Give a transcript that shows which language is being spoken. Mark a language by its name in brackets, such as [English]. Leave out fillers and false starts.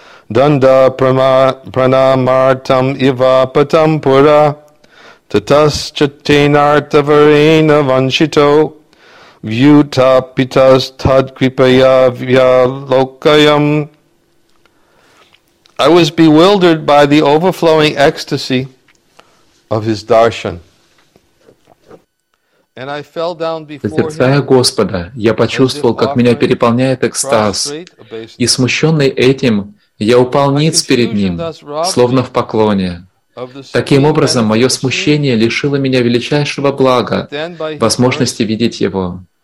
[Sanskrit] Данда пранамартам ива патам пура татас чатинартаварена ваншито вьюта питас тад крипая вья локаям. [English] I was bewildered by the overflowing ecstasy of his darshan. And I fell down before him. [Russian] Созерцая Господа, я почувствовал, как меня переполняет экстаз, и смущенный этим, я упал ниц перед ним, словно в поклоне. Таким образом, мое смущение лишило меня величайшего блага, возможности видеть его.